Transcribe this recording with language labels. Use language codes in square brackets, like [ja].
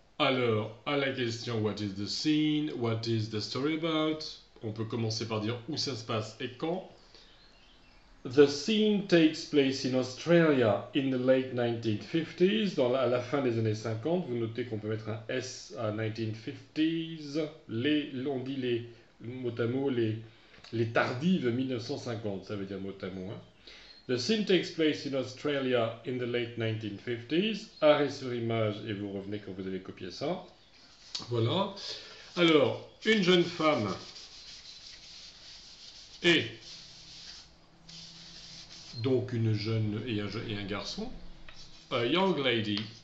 [fr] Alors, à la question [en] what is the scene, what is the story about? [fr] On peut commencer par dire où ça se passe et quand. [en] The scene takes place in Australia in the late 1950s, [fr] à la fin des années 50. Vous notez qu'on peut mettre un S à 1950s. On dit les mot à mot, les tardives 1950, ça veut dire mot à mot. Hein. [en] The scene takes place in Australia in the late 1950s. [fr] Arrêt sur image et vous revenez quand vous avez copié ça. Voilà. Alors, une jeune femme et... Donc une jeune et un garçon. [en] A young lady.